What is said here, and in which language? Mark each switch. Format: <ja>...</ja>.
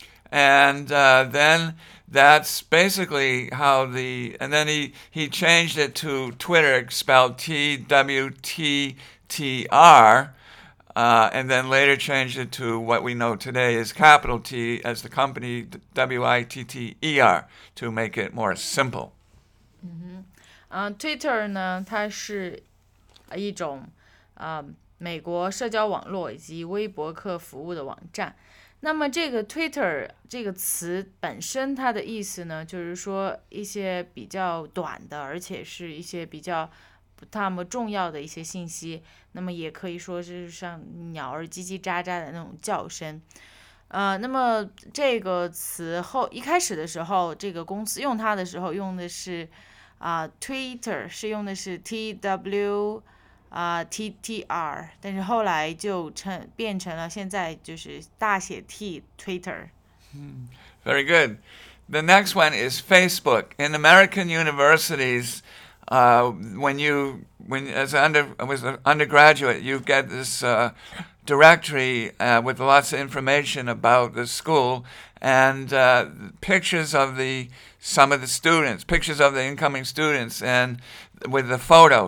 <en>And then that's basically how the, and then he changed it to Twitter, spelled T-W-T-T-R, and then later changed it to what we know today is capital T as the company, W-I-T-T-E-R, to make it more simple.</en> <zh>Twitter 呢，它是一种美国社交网络以及微博客服务的网站。那么这个 Twitter 这个词本身它的意思呢，就是说一些比较短的，而且是一些比较不那么重要的一些信息。那么也可以说是像鸟儿叽叽喳喳的那种叫声。那么这个词后一开始的时候，这个公司用它的时候用的是Twitter 是用的是 TWTTR， 但是后来就变成了现在就是大写 T Twitter。</zh> <en>Very good. The next one is Facebook. In American universities, when, as an undergraduate, you get this directory with lots of information about the school and pictures of the some of the students, pictures of the incoming students and with the photo.</en>